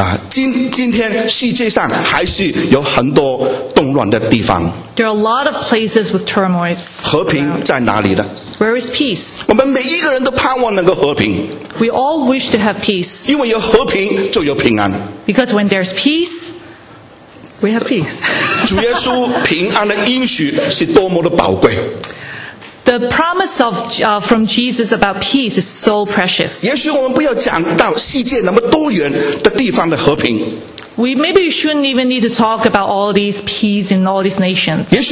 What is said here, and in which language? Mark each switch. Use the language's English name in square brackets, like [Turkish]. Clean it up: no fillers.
[Chinese] 今天世界上还是有很多动乱的地方。 [English] There are a lot of places with turmoils. [Chinese] 和平在哪里呢? [English] Where is peace? [Chinese] 我们每一个人都盼望能够和平。 [English] We all wish to have peace. [Chinese] 因为有和平就有平安。 [English] Because when there's peace, we have peace. [Chinese] 主耶稣平安的应许是多么的宝贵。 [English] The promise of from Jesus about peace is so precious. [Chinese] 也许我们不要讲到世界那么多元的地方的和平。 [English] Maybe we shouldn't even need to talk about all these peace in all these nations.